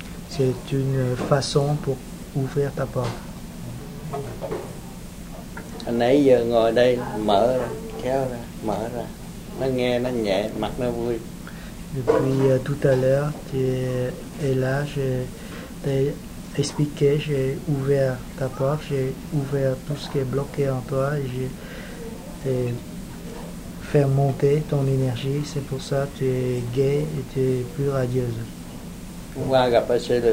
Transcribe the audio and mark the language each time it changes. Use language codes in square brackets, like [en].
[fr] C'est une façon pour ouvrir ta porte. [vi] Nãy giờ ngồi đây mở ra, kéo ra, mở ra. Nó nghe, nó nhẹ, mặt nó vui. [fr] Depuis tout à l'heure, tu es là, je t'ai expliqué, j'ai ouvert ta porte, j'ai ouvert tout ce qui est bloqué en toi, et j'ai fait monter ton énergie, c'est pour ça que tu es gay et tu es plus radieuse.